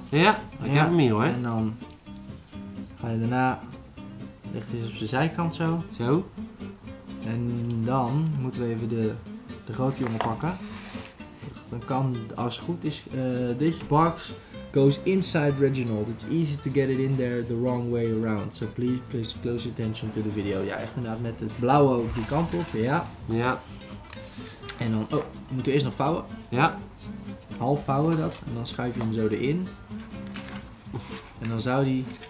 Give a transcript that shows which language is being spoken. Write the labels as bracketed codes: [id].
[nl] Ja, ik heb hem hier hoor. En dan ga je daarna. Ligt hij op zijn zijkant zo. Zo. En dan moeten we even de grote jongen pakken. Dan kan, als het goed is, [en] this box goes inside Reginald. It's easy to get it in there the wrong way around. So please close your attention to the video. [nl] Ja, echt inderdaad met het blauwe op die kant op. Ja. Ja. En dan, we moeten eerst nog vouwen. Ja. Half vouwen dat. En dan schuif je hem zo erin. En dan zou die...